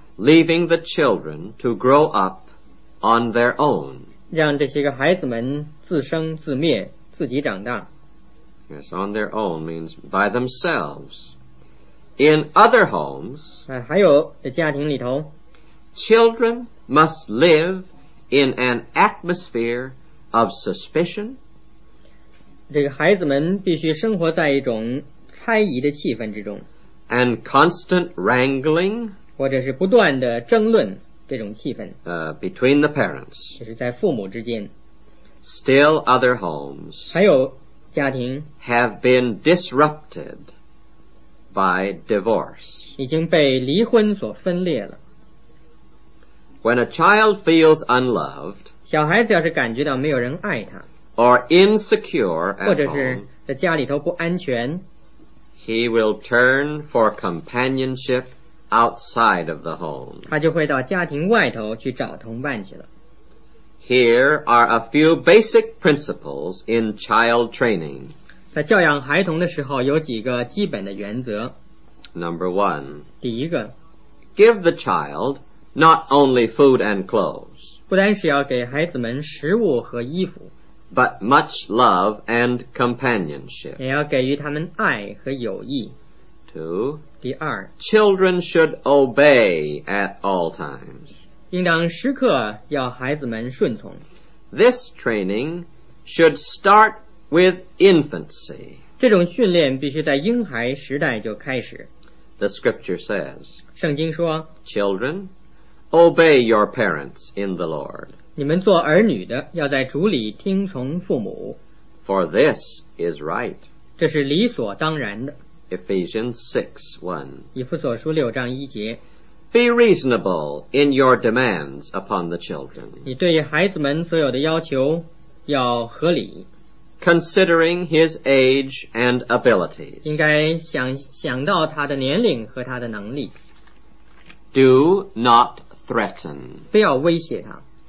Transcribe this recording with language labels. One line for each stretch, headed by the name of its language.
English: Leaving the children to grow up on their own.
Chinese: 让这些个孩子们自生自灭，自己长大。
English: Yes, on their own means by themselves. In other homes,
Chinese: 还有的家庭里头，
English: children must live in an atmosphere of suspicion.
Chinese: 这个孩子们必须生活在一种猜疑的气氛之中，
English: and constant wrangling,
Chinese: 或者是不断的争论这种气氛，
English: between the parents.
Chinese: 就是在父母之间。
English: Still other homes,
Chinese: 还有家庭，
English: have been disrupted. By divorce.
Chinese: 已经被离婚所分裂了。
English: When a child feels unloved,
Chinese: 小孩子要是感觉到没有人爱他，
English: or insecure at home,
Chinese: 或者是在家里头不安全，
English: he will turn for companionship outside of the home.
Chinese: 他就会到家庭外头去找同伴去了。
English: Here are a few basic principles in child training.
Chinese: 在教养孩童的时候有几个基本的原则。
English: Number one.
Chinese: 第一个。
English: Give the child not only food and clothes.
Chinese: 不单是要给孩子们食物和衣服。
English: But much love and companionship.
Chinese: 也要给予他们爱和友谊。
English: Two.
Chinese: 第二。
English: Children should obey at all times.
Chinese: 应当时刻要孩子们顺从。
English: This training should start With infancy.
Chinese: 这种训练必须在婴孩时代就开始。
English: The scripture says,
Chinese: 圣经说，
English: Children, obey your parents in the Lord.
Chinese: 你们做儿女的要在主里听从父母。
English: For this is right.
Chinese: 这是理所当然的。
English: Ephesians 6:1.
Chinese: 以弗所书六章一节。
English: Be reasonable in your demands upon the children.
Chinese: 你对孩子们所有的要求要合理。
English: Considering his age and abilities.
Chinese: 应该想到他的年龄和他的能力。
English: Do not threaten.
Chinese: 不要威胁他。